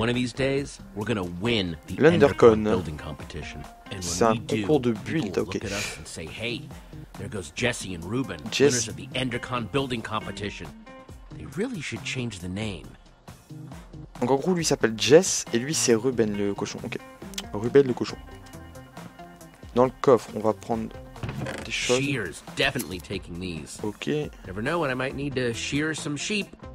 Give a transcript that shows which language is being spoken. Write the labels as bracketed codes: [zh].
[en] one of these days, we're gonna win the [fr] l'Undercon. [en] Building competition. And when [fr] c'est un concours de build, ok. [en] Look at us and say, hey, there goes Jesse and Ruben, winners of the Endercon building competition. They really should change the name. [fr] Donc en gros, lui s'appelle Jess et lui c'est Ruben le cochon. Ok. Ruben le cochon. Dans le coffre, on va prendre des choses. [en] Shears, definitely taking these. Ok. Never know when I might need to shear some sheep.